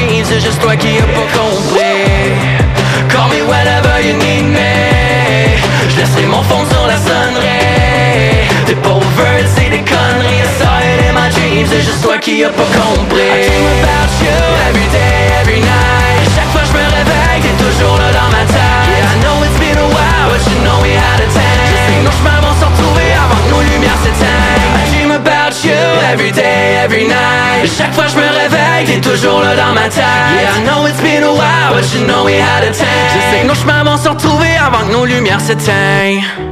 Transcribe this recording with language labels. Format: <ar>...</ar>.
<fr>c'est juste toi qui a pas compris.</fr> <en>Call me whenever you need me.</en> <fr>Je laisserai mon fond sur la sonnerie. T'es pas overt, c'est des conneries.</fr> <en>I saw it in my dreams,</en> <fr>c'est juste toi qui a pas compris.</fr> <en>I dream about you every day, every night.</en> <fr>Chaque fois je me réveille, t'es toujours là dans ma tête.</fr> <en>Yeah, I know it's been a while, but you know we had a time.</en> <fr>Je sais que nos chemins vont se retrouver avant que nos lumières s'éteignent.</fr> <en>I dream about you every day, every night.</en> <fr>Chaque fois je me réveille, t'es toujours là dans ma tête.</fr> <en>Yeah, I know it's been a while, but you know we had a time.</en> <fr>Je sais que nos chemins vont se retrouver avant que nos lumières s'éteignent.</fr>